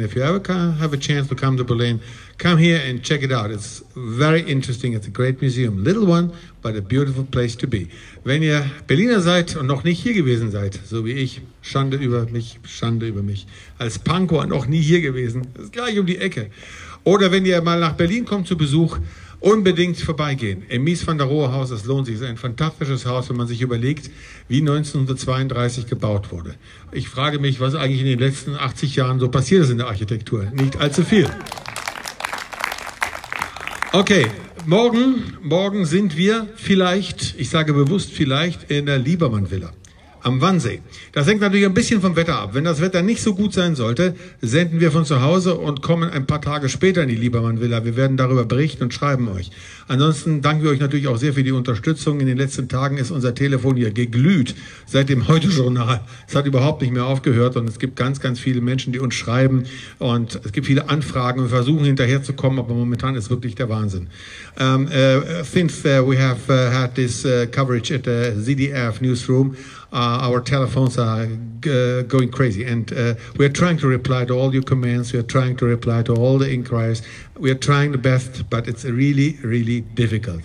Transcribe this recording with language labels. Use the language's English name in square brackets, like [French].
[English] If you ever have a chance to come to Berlin, come here and check it out. It's very interesting. It's a great museum. Little one, but a beautiful place to be. [German] Wenn ihr Berliner seid und noch nicht hier gewesen seid, so wie ich, Schande über mich. Als Punker noch nie hier gewesen, ist gleich um die Ecke. Oder wenn ihr mal nach Berlin kommt zu Besuch, unbedingt vorbeigehen. Im Mies van der Rohe Haus, das lohnt sich. Es ist ein fantastisches Haus, wenn man sich überlegt, wie 1932 gebaut wurde. Ich frage mich, was eigentlich in den letzten 80 Jahren so passiert ist in der Architektur. Nicht allzu viel. Okay, morgen sind wir vielleicht, ich sage bewusst vielleicht, in der Liebermann Villa. Am Wannsee. Das hängt natürlich ein bisschen vom Wetter ab. Wenn das Wetter nicht so gut sein sollte, senden wir von zu Hause und kommen ein paar Tage später in die Liebermann Villa. Wir werden darüber berichten und schreiben euch. Ansonsten danken wir euch natürlich auch sehr für die Unterstützung. In den letzten Tagen ist unser Telefon hier geglüht seit dem Heute-Journal. Es hat überhaupt nicht mehr aufgehört und es gibt ganz, ganz viele Menschen, die uns schreiben und es gibt viele Anfragen. Wir versuchen hinterherzukommen, aber momentan ist wirklich der Wahnsinn. [English] Since we have had this coverage at the ZDF Newsroom, our telephones are going crazy and we are trying to reply to all your comments, we are trying to reply to all the inquiries. We are trying the best, but it's really, really difficult.